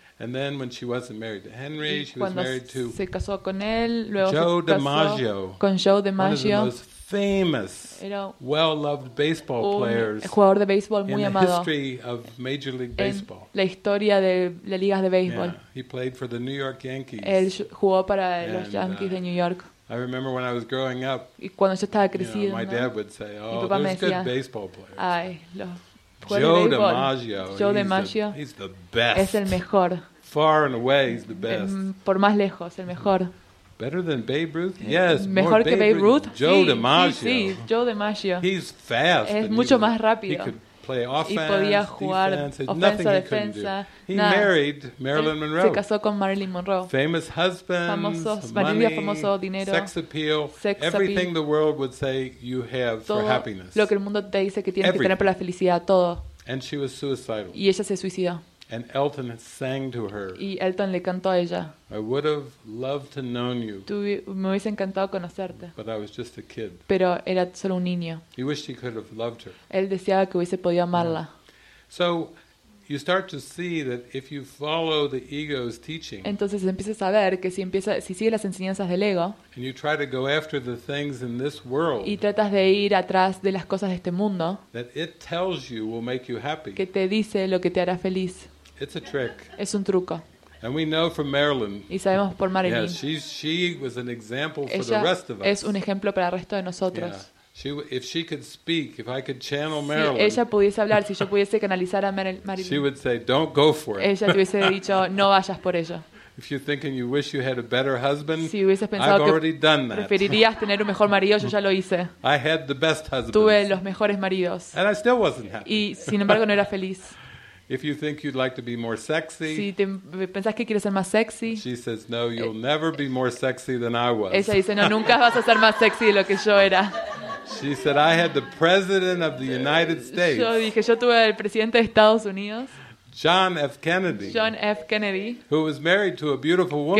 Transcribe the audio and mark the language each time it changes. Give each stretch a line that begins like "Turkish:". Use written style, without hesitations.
English: And then when she wasn't married to Henry, she was married to
Spanish: se casó con él, luego
English: Joe DiMaggio.
Spanish: Con Joe DiMaggio.
English: One of the most famous, well-loved baseball players.
Spanish: Un jugador de béisbol muy amado.
English: In the history of Major League Baseball.
Spanish: La historia de las ligas de béisbol.
English: Yeah, he played for the New York Yankees.
Spanish: Él jugó para los Yankees de New York.
English: I remember when I was growing up.
Spanish: Y cuando yo estaba creciendo,
English: my dad would say, "Oh, there's good baseball players."
Spanish: Ay, lo
English: Joe DiMaggio.
Spanish: Joe DiMaggio.
English: He's the best.
Spanish: Es el mejor.
English: Far and away, he's the best.
Spanish: Por más lejos, el mejor.
English: Better than Babe Ruth? Yes.
Spanish: Mejor que Babe Ruth?
English: Joe DiMaggio.
Spanish: Sí, Joe DiMaggio.
English: He's fast.
Spanish: Es mucho más rápido.
English: He could play offense, defense, nothing he couldn't do. He married Marilyn Monroe.
Spanish: Se casó con Marilyn Monroe.
English: Famous husband,
Spanish: money, famoso dinero,
English: sex appeal, everything the world would say you have
Spanish: todo
English: for happiness.
Spanish: Lo que el mundo te dice que tienes que tener para la felicidad, todo.
English: And she was suicidal.
Spanish: Y ella se suicidó.
English: And Elton sang to her.
Spanish: Y Elton le cantó a ella.
English: I would have loved to known you.
Spanish: Me hubiese encantado conocerte.
English: But I was just a kid.
Spanish: Pero era solo un niño.
English: He wished he could have loved her.
Spanish: Él deseaba que hubiese podido amarla.
English: So you start to see that if you follow the ego's teaching.
Spanish: Entonces empiezas a ver que si sigues las enseñanzas del ego.
English: And you try to go after the things in this world.
Spanish: Y tratas de ir atrás de las cosas de este mundo.
English: That it tells you will make you happy.
Spanish: Que te dice lo que te hará feliz.
English: It's a trick.
Spanish: Es un truco.
English: And we know from Marilyn.
Spanish: Y sabemos por Marilyn.
English: Yeah, she was an example for
Spanish: ella
English: the rest of us.
Spanish: Es un ejemplo para el resto de nosotros.
English: Yeah. If she could speak, if I could channel Marilyn.
Spanish: Si ella pudiese hablar, si yo pudiese canalizar a Marilyn.
English: She would say, "Don't go for it."
Spanish: Ella te hubiese dicho, "No vayas por ello."
English: If you're thinking you wish you had a better husband,
Spanish: si hubieses pensado
English: I've already done that.
Spanish: Preferirías tener un mejor marido, yo ya lo hice.
English: I had the best husband.
Spanish: Tuve los mejores maridos.
English: And I still wasn't happy.
Spanish: Y sin embargo no era feliz.
English: If you think you'd like to be more sexy,
Spanish: si te pensás que quieres ser más sexy,
English: she says, "No, you'll never be more sexy than I was."
Spanish: Ella dice, "No, nunca vas a ser más sexy de lo que yo era."
English: She said, "I had the president of the United States."
Spanish: Yo dije, yo tuve el presidente de Estados Unidos.
English: John F. Kennedy, who was married to a beautiful woman.